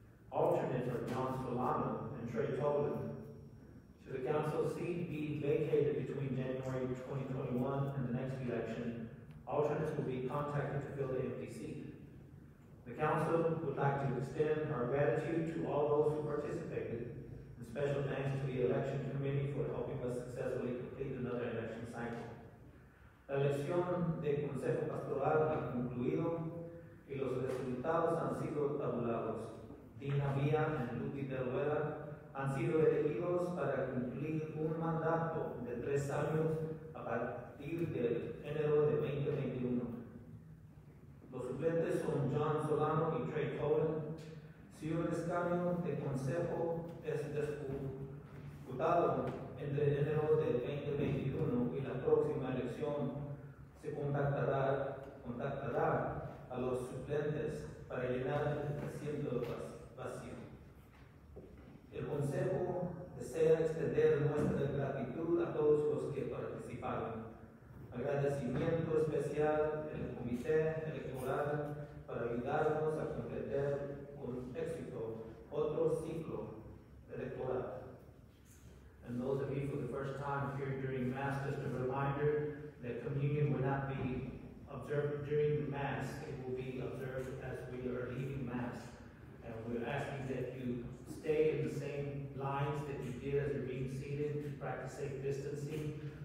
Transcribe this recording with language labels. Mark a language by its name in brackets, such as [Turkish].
[English] Alternates are John Solano and Trey Tolan. Should the council seat be vacated between January 2021 and the next election, alternates will be contacted to fill the empty seat. The council would like to extend our gratitude to all those who participated, and special thanks to the election committee for helping us successfully complete another election cycle. [Spanish] La elección de Consejo Pastoral ha concluido y los resultados han sido tabulados. Dina Villa and Lupi Delguera han sido elegidos para cumplir un mandato de tres años a partir del enero de 2021. Los suplentes son John Solano y Trey Cohen. Si un escaño de consejo es disputado entre enero de 2021 y la próxima elección, se contactará a los suplentes para llenar el asiento vacío. El consejo desea extender nuestra gratitud a todos los que participaron. Agradecimiento especial al comité electoral para ayudarnos a completar con éxito otro ciclo electoral. [English] And those of you for the first time here during Mass, just a reminder that communion will not be observed during the Mass. It will be observed as we are leaving Mass. And we're asking that you stay in the same lines that you did as you're being seated, to practice safe distancing.